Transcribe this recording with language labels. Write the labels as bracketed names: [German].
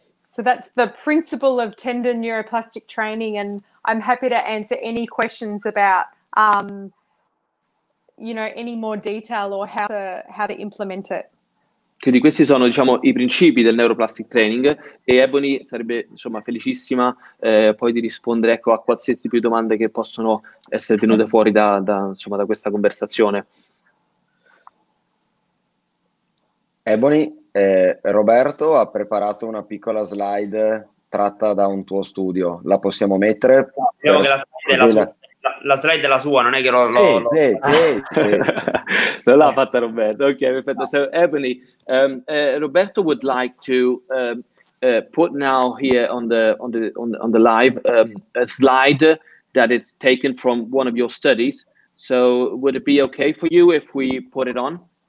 [English] So that's the principle of tendon neuroplastic training, and I'm happy to answer any questions about any more detail or how to implement it. [Italian] Quindi questi sono, diciamo, i principi del neuroplastic training, e Ebony sarebbe, insomma, felicissima poi di rispondere, ecco, a qualsiasi più domande che possono essere venute fuori da questa conversazione. Ebony, Roberto ha preparato una piccola slide tratta da un tuo studio. La possiamo mettere? Vediamo che la slide è la sua, non è che l'ho... Sì. Non l'ha fatta Roberto. Ok, perfetto. [English] So, Ebony, Roberto would like to put now here on the live a slide that is taken from one of your studies. So, would it be okay for you if we put it on?